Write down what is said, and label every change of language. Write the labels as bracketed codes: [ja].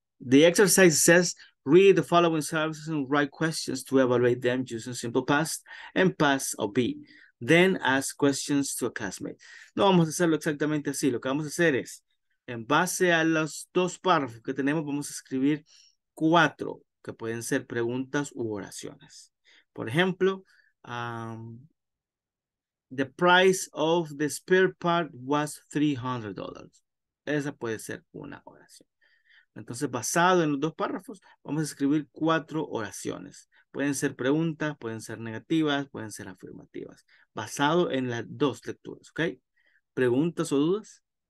[en] The exercise says, read the following sentences and write questions to evaluate them using simple past and past of be. Then ask questions to a classmate. [es] No vamos a hacerlo exactamente así. Lo que vamos a hacer es, en base a los dos párrafos que tenemos, vamos a escribir cuatro que pueden ser preguntas u oraciones. Por ejemplo, [en] the price of the spare part was $300. [es] Esa puede ser una oración. Entonces, basado en los dos párrafos, vamos a escribir cuatro oraciones. Pueden ser preguntas, pueden ser negativas, pueden ser afirmativas. Basado en las dos lecturas, ¿ok? ¿Preguntas o dudas?